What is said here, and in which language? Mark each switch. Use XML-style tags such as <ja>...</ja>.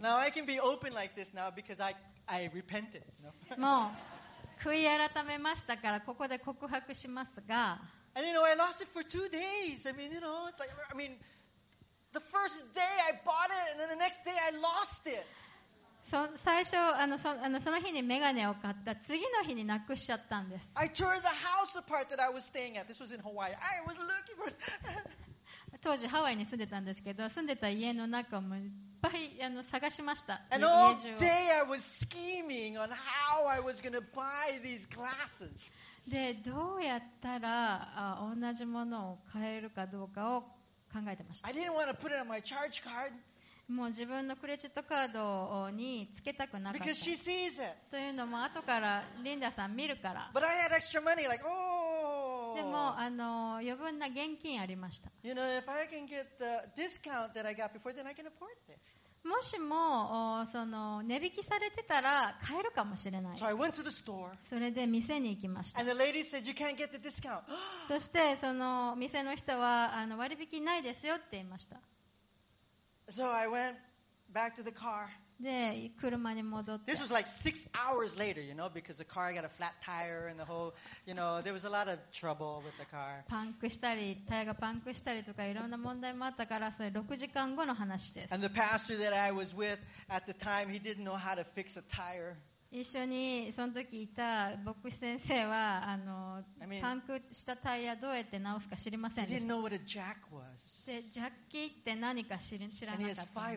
<en>Now I can be open like this now because I repented.</en> <ja>もう悔い改めましたからここで告白しますが。</ja> <en>And you know I lost it for 2 days. I mean you know it's like I mean the first day I bought it and then the next day I lost it.</en> <ja>最初その日にメガネを買った次の日になくしちゃったんです。</ja> <en>I tore the house apart that I was staying at. This was in Hawaii. I was looking for</en> <ja>当時ハワイに住んでたんですけど、住んでた家の中もいっぱい探しました。</ja> <en>And all day I was scheming on how I was going to buy these glasses.</en> <ja>でどうやったら同じものを買えるかどうかを考えてました。</ja> <en>I didn't want to put it on my charge card.</en> <ja>もう自分のクレジットカードにつけたくなかった。</ja> <en>Because she sees it.</en> <ja>というのも後からリンダさん見るから。</ja> <en>But I had extra money, like, oh.</en> <ja>でも余分な現金ありました。</ja> <en>You know, if I can get the discount that I got before, then I can afford this.</en> <ja>もしも値引きされてたら買えるかもしれない。</ja> <en>So I went to the store.</en> <ja>それで店に行きました。</ja> <en>And the lady said you can't get the discount.</en> <ja>そしてその店の人は割引ないですよって言いました。</ja> <en>So I went back to the car.</en> <ja>で、車に戻って。</ja> <en>This was like 6 hours later, you know, because the car got a flat tire and the whole, you know, there was a lot of trouble with the car.</en> <ja>パンクしたり、タイヤがパンクしたりとかいろんな問題もあったから、それ6時間後の話です。</ja> <en>And the pastor that I was with at the time, he didn't know how to fix a tire.</en> <ja>一緒にその時いた牧師先生はパンクしたタイヤどうやって直すか知りませんでした。で、ジャッキーって何か知らなかったんです。</ja>